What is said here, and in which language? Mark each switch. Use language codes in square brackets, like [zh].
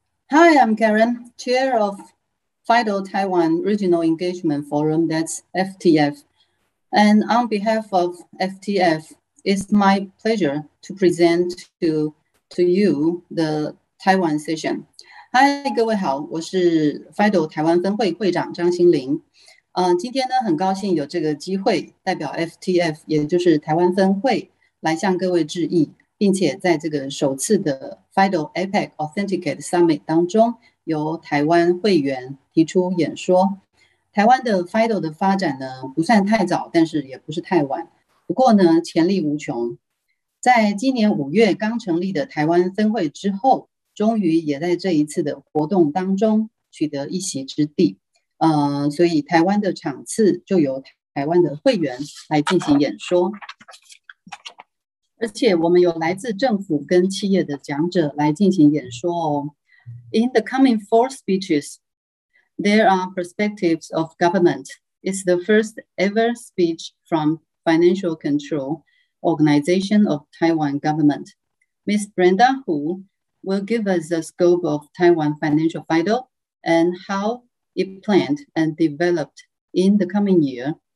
[en] Hi, I'm Karen, Chair of FIDO Taiwan Regional Engagement Forum, that's FTF. And on behalf of FTF, it's my pleasure to present to you the Taiwan session. [zh] Hi, 各位好，我是 FIDO 台湾分会会长张欣凌。今天呢，很高兴有这个机会代表 FTF， 也就是台湾分会，来向各位致意。并且在这个首次的 FIDO APEC Authenticate Summit 当中，由台湾会员提出演说。台湾的 FIDO 的发展呢，不算太早，但是也不是太晚。不过呢，潜力无穷。在今年五月刚成立的台湾分会之后，终于也在这一次的活动当中取得一席之地。所以台湾的场次就由台湾的会员来进行演说。而且我们有来自政府跟企业的讲者来进行演说哦。 [en] In the coming four speeches, there are perspectives of government. It's the first ever speech from Financial Control Organization of Taiwan Government. Ms. Brenda Hu will give us the scope of Taiwan Financial FIDO and how it planned and developed in the coming year.